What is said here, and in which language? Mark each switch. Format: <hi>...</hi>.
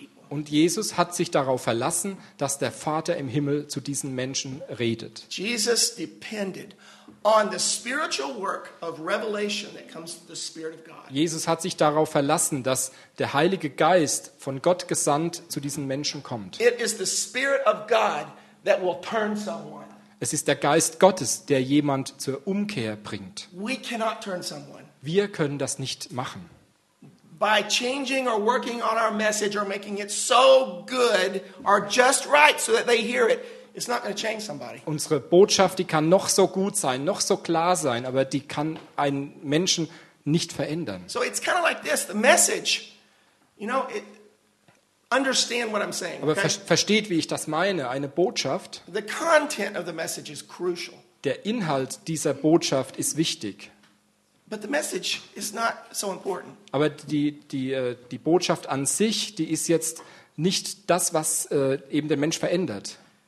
<de>Und Jesus hat sich darauf verlassen, dass der Vater im Himmel zu diesen Menschen redet.</de> <en>Jesus depended on the spiritual work of revelation that comes through the Spirit of God.</en> <de>Jesus hat sich darauf verlassen, dass der Heilige Geist von Gott gesandt zu diesen Menschen kommt.</de> <en>It is the Spirit of God that will turn someone.</en> <de>Es ist der Geist Gottes, der jemand zur Umkehr bringt.</de> <en>We cannot turn someone.</en> <de>Wir können das nicht machen.</de> <en>By changing or working on our message or making it so good or just right so that they hear it. It's not going to change somebody.</en> <de>Unsere Botschaft, die kann noch so gut sein, noch so klar sein, aber die kann einen Menschen nicht verändern.</de> <en>So it's kind of like this, the message. You know, understand what I'm saying.</en> <de>Aber versteht, wie ich das meine, eine Botschaft.</de> <en>The content of the message is crucial.</en> <de>Der Inhalt dieser Botschaft ist wichtig.</de> <en>But the message is not so important.</en> <de>Aber die Botschaft an sich, die ist jetzt nicht das, was eben den Mensch verändert.</de>